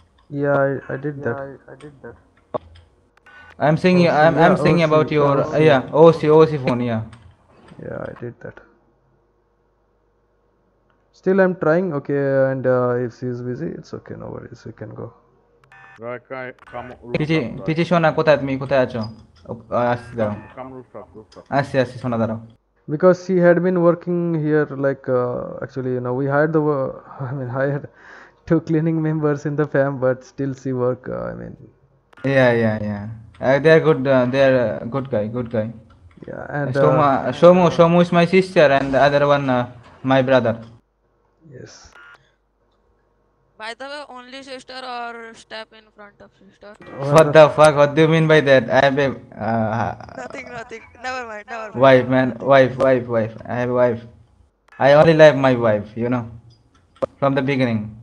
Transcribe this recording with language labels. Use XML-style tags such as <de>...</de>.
<en>Yeah, I did that. I'm saying about your OC phone. Yeah. Yeah, I did that. Still, I'm trying. Okay, and if she's busy, it's okay. No worries. We can go.</en> <bn>Peachy শোনা কোথায় তুমি কোথায় আছো আসছি দাঁড়াও আসছি আসছি শোনা দাঁড়াও</bn> <en>Because she had been working here like actually you know we hire the I mean hire to cleaning members in the fam but still she work I mean yeah yeah yeah they are good guy good guy yeah and Somo Somo is my sister and other one my brother yes By the way, only sister or step in front of sister? What the fuck? What do you mean by that? I have a... Nothing. Never mind. Wife, man. Wife. I have a wife. I only love my wife, you know. From the beginning.</en>